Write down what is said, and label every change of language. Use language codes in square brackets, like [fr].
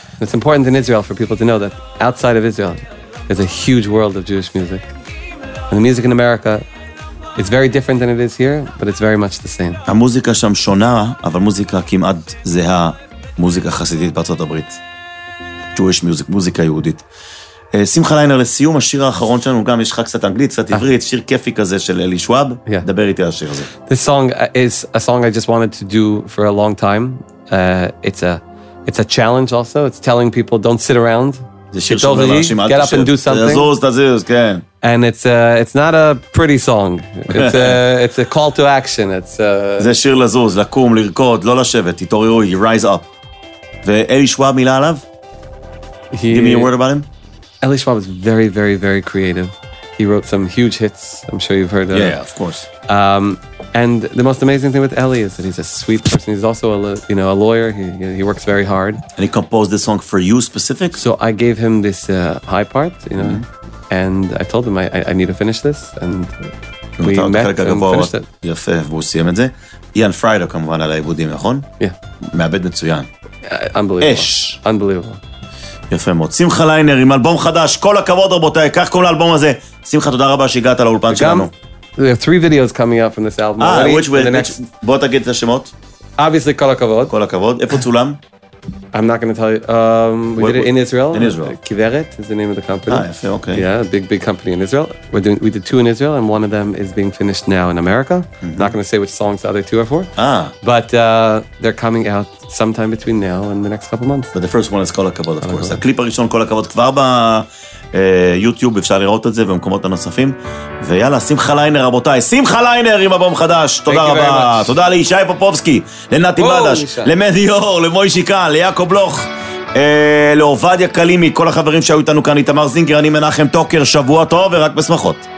[en] It's important in Israel for people to know that outside of Israel is a huge world of Jewish music. And the music in America... It's very different than it is here, but it's very much the same. [he] המוזיקה שם שונה, אבל מוזיקה כמעט זהה מוזיקה חסידית בארצות הברית. [en] Jewish music, [he] מוזיקה יהודית. שמחה ליינר, לסיום השיר האחרון שלנו, גם יש לך קצת אנגלית, קצת עברית, שיר כיפי כזה של אלי שואב. [en] Yeah. [he] דבר איתי על השיר הזה. [en] This song is a song I just wanted to do for a long time. It's a challenge also. It's telling people, don't sit around. [he] זה שיר שאומר לאנשים, [en] get up and do something. [he] תזוז, תזוז, כן. [en] And it's not a pretty song. It's a call to action. [he] זה שיר לזוז, לקום, לרקוד, לא לשבת. תתעוררו, [en] you rise up. [he] ואלי שואב, מילה עליו? [en] Give me a word about him. אלי שואב is very, very, very creative. He wrote some huge hits, I'm sure you've heard of. Yeah, of course. And the most amazing thing with Ellie is that he's a sweet person. He's also a lawyer. He works very hard. And he composed this song for you specific? So I gave him this high part, you know, mm-hmm. and I told him I need to finish this. And we met and finished it. [he] יפה, והוא סיים את זה. איאן פריידו כמובן על העיבודים, נכון? [en] Yeah. [he] מעבד מצוין. [en] Unbelievable. [he] אש. [en] Unbelievable. [he] יפה מאוד. שמחה ליינר עם אלבום חדש. כל הכבוד רבותיי. כך קוראים לאלבום הזה. שמחה, תודה רבה שהגעת לאולפן שלנו. [en] There are three videos coming up from this album. [he] בוא תגיד את השמות. [en] Obviously, כל הכבוד. [he] כל הכבוד. איפה צולם? [en] I'm not going to tell you. We did it in Israel. In Israel. Kiveret is the name of the company. [he] יפה, אוקיי. [en] Yeah, big company in Israel. We did two in Israel and one of them is being finished now in America. Mm-hmm. Not going to say which songs the other two are for. But they're coming out sometime between now and the next couple months. But the first one is Kol HaKavod, of course. [he] הקליפ הראשון Kol HaKavod כבר ביוטיוב, אפשר לראות את זה במקומות הנוספים. ויאללה, שמחה ליינר, רבותיי. שמחה ליינר עם אבום חדש. תודה רבה. תודה לישי פופובסקי, לנתי בדש, למדיור, למוישי קהל, ליעקב בלוך, לעובדיה קלימי, כל החברים שהיו איתנו כאן, איתמר זינגר, אני מנחם טוקר, שבוע טוב ורק בשמחות.